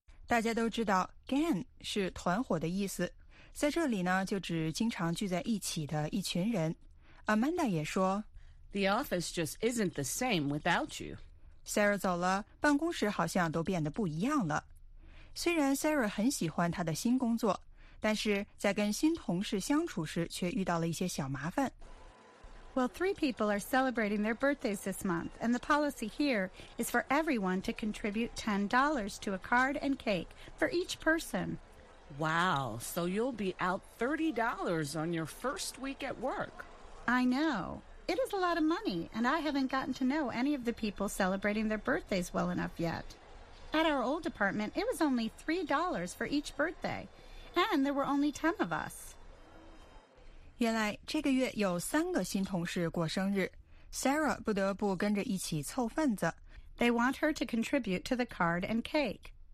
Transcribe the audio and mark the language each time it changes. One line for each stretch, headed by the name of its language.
Chinese: 大家都知道 gang 是团伙的意思，在这里呢就指经常聚在一起的一群人。 Amanda 也说
English: The office just isn't the same without you.
Chinese: Sarah 走了，办公室好像都变得不一样了。虽然 Sarah 很喜欢她的新工作，但是在跟新同事相处时却遇到了一些小麻烦。
English: Well, three people are celebrating their birthdays this month, and the policy here is for everyone to contribute $10 to a card and cake for each person. Wow, so you'll be out $30 on your first week at work. I know. It is a lot of money, and I haven't gotten to know any of the people celebrating their birthdays well enough yet. At our old department, it was only $3 for each birthday, and there were only 10 of us.
Chinese: 原来这个月有三个新同事过生日， Sarah 不得不跟着一起凑份子。
English: They want her to contribute to the card and cake.